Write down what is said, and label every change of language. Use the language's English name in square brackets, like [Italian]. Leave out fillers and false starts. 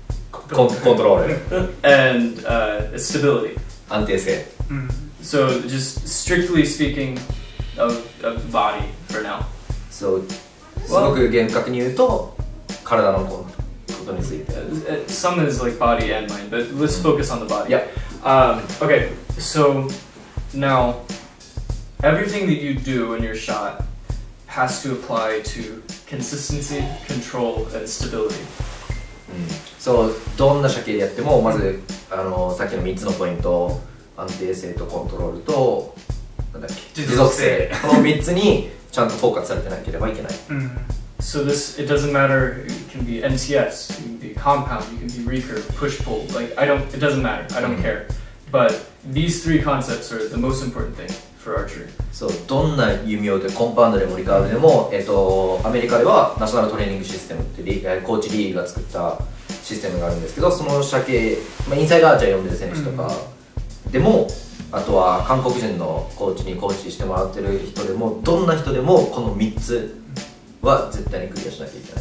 [English] Control. And stability. [Japanese] 安定性。 [English] So, just strictly speaking of body for now. [Japanese] So,すごく厳格に言うと、体のことについて。 [English] Some is like body and mind, but let's focus on the body. Yeah. Okay, so now, everything that you do in your shot has to apply to consistency, control, and stability. [Japanese] So, どんな射形でやっても、まずさっきの3つのポイント、安定性とコントロールと、なんだっけ、持続性。この3つに、ちゃんとフォーカスされてなければいけない。 [English] So this, it doesn't matter, it can be NCS, it can be compound, it can be recurve, push-pull, like, it doesn't matter, I don't care. But these three concepts are the most important thing for archery. [Japanese] So, どんな弓をで、コンパウンドでもリカーブでも、アメリカではナショナルトレーニングシステムって、コーチリーが作ったシステムがあるんですけど、その射形、まあ、インサイドアーチャー呼んでる選手とか、でも、あとは韓国人のコーチにコーチしてもらってる人でも、どんな人でもこの3つは絶対にクリアしなきゃいけない。